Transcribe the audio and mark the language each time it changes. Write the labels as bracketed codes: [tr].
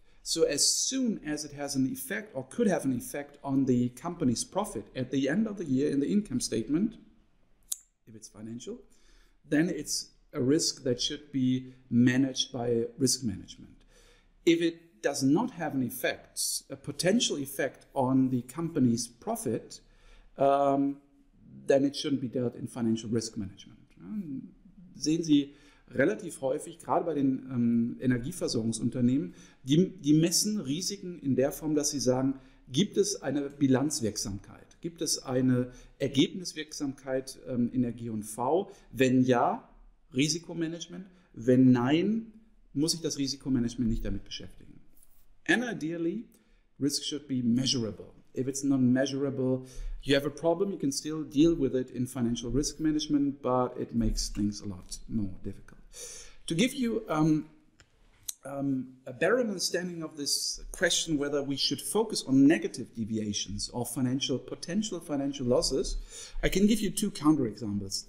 [en] So as soon as it has an effect or could have an effect on the company's profit at the end of the year in the income statement, if it's financial, then it's a risk that should be managed by risk management. If it does not have an effect, a potential effect on the company's profit, then it shouldn't be dealt in financial risk management. [de] Sehen Sie relativ häufig, gerade bei den Energieversorgungsunternehmen, die messen Risiken in der Form, dass sie sagen, gibt es eine Bilanzwirksamkeit? Gibt es eine Ergebniswirksamkeit in der G&V? Wenn ja, Risikomanagement. Wenn nein, muss ich das Risikomanagement nicht damit beschäftigen. [en] And ideally, risk should be measurable. If it's not measurable, you have a problem, you can still deal with it in financial risk management, but it makes things a lot more difficult. To give you a better understanding of this question, whether we should focus on negative deviations or potential financial losses, I can give you two counterexamples.